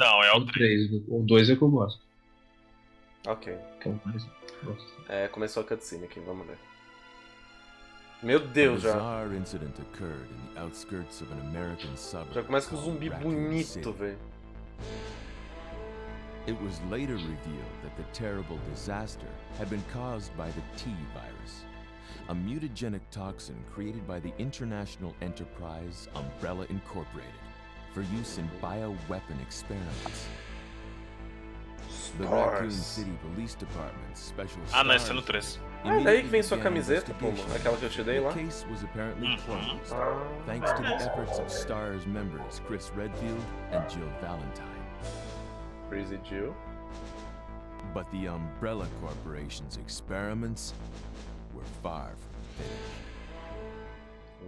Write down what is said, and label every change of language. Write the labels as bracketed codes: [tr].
[pt] Não, é o 3. O 2 é que eu gosto. Ok. Que eu mais gosto. É, começou a cutscene aqui, vamos ver. Meu Deus, já. Já começa com um zumbi bonito, velho. [en] It was later revealed that the terrible disaster had been caused by the T-Virus, a mutagenic toxin created by the international enterprise Umbrella Incorporated for use in bioweapon experiments. The Raccoon City Police Department's special [pt] Ah, não, esse é no 3. Ah, daí que vem sua camiseta, pô, mano, aquela que eu te dei lá. [en] Case was apparently closed, thanks to the efforts of STARS members Chris Redfield and Jill Valentine. Crazy Jew. But the Umbrella Corporation's experiments were far from finished.